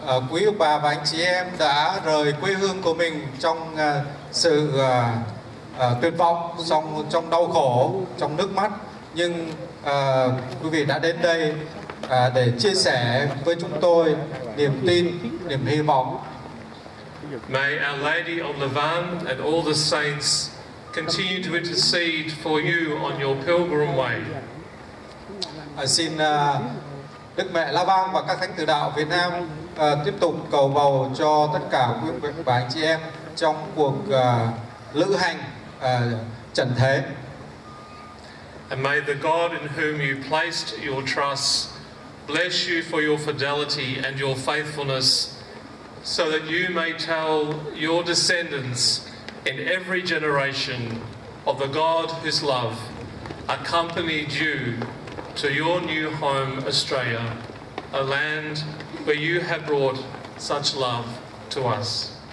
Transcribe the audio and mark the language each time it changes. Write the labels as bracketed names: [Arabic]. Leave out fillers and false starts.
[Vietnamese] Quý ông bà và anh chị em đã rời quê hương của mình trong sự tuyệt vọng, trong đau khổ, trong nước mắt, nhưng quý vị đã đến đây để chia sẻ với chúng tôi niềm tin, niềm hy vọng. [English] May Our Lady of Lavan and all the saints continue to intercede for you on your pilgrim way. [Vietnamese] Xin Đức Mẹ La Vang và các thánh tử đạo Việt Nam tiếp tục cầu bầu cho tất cả quý vị và anh chị em trong cuộc lữ hành trần thế. [English] And may the God in whom you placed your trust bless you for your fidelity and your faithfulness, so that you may tell your descendants in every generation of the God whose love accompanied you to your new home, Australia, a land where you have brought such love to us.